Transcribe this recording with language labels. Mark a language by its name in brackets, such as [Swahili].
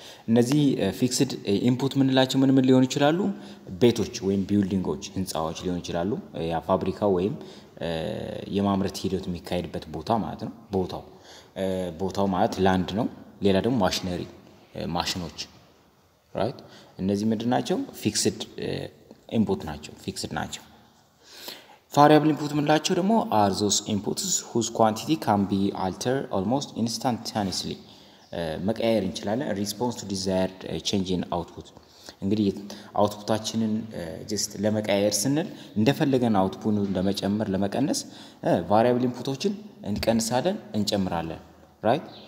[Amharic] እነዚህ fixed input ምንላቸው ምን ሊሆን ይችላሉ? ቤቶች ወይም ቢልዲንጎች ህንፃዎች ሊሆን ይችላሉ. ያ ፋብሪካ ወይም የማምረት ሂደት የሚካሄድበት ቦታ ማለት ነው. ቦታው ማለት land ነው. ሌላ ደግሞ machinery ማሽኖች, right? እነዚህ ምንድናቸው? fixed input ናቸው, fixed ናቸው. Variable input ምንላቸው ደግሞ [English] are those inputs whose quantity can be altered almost instantaneously. [Amharic] መቀየር እንችላለን [English] response to desired change in output. [Amharic] እንግዲህ አውትፑታችንን just ለመቀየር ስንል እንደፈለገን አውትፑቱን ለመጨመር ለመቀነስ variable inputዎችን እንቀንሳለን እንጨምራለን, right?